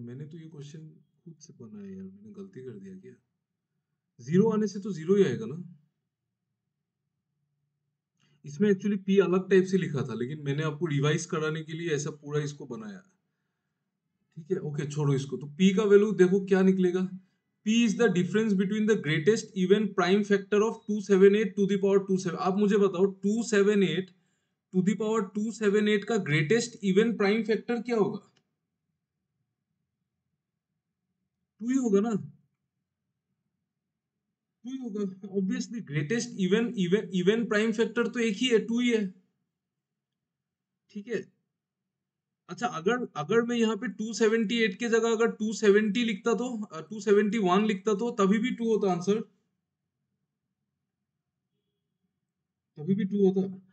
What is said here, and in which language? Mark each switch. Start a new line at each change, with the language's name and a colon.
Hindi: मैंने तो ये क्वेश्चन खुद से बनाया यार, मैंने गलती कर दिया क्या? जीरो आने से तो जीरो ही आएगा ना, इसमें एक्चुअली पी अलग टाइप से लिखा था, लेकिन मैंने आपको रिवाइज कराने के लिए ऐसा पूरा इसको बनाया, ठीक है, ओके, छोड़ो इसको। तो पी का वैल्यू देखो क्या निकलेगा,
English: P is the difference between the greatest even prime factor of 278 to the power 27.
Hindi: आप मुझे बताओ 278 to the power 278 का greatest even prime factor क्या होगा? 2 ही होगा ना? 2 ही होगा, obviously greatest even prime factor तो एक ही है, 2 ही है, ठीक है। अच्छा अगर अगर मैं यहाँ पे 278 के जगह अगर 270 लिखता तो 271 लिखता तो तभी भी 2 होता आंसर, तभी भी 2 होता।